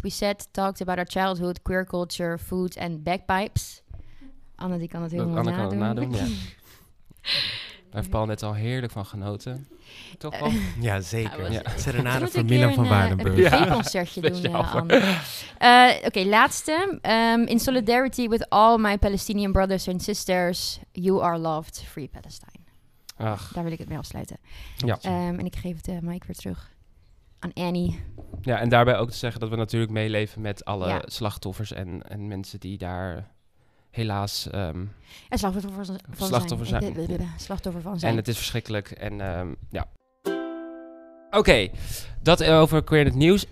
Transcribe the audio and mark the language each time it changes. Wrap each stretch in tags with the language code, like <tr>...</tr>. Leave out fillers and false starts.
<en>We sat, talked about our childhood, queer culture, food and bagpipes.</en> <nl>Anna, die kan het heel mooi nadoen. Kan nadoen, ja. Daar heeft Paul net al heerlijk van genoten. Toch wel? Ja, zeker. Ja. Serenade van Milan van Waardenburg. Een privéconcertje doen, Anne. Oké, laatste.</nl> <en>In solidarity with all my Palestinian brothers and sisters, you are loved, free Palestine.</en> <nl>Ach. Daar wil ik het mee afsluiten. Ja. En ik geef de mic weer terug aan Annie. Ja, en daarbij ook te zeggen dat we natuurlijk meeleven met alle slachtoffers en mensen die daar... Helaas. Slachtoffer van zijn. En het is verschrikkelijk. En ja. Oké, dat over Queer in het Nieuws.</nl>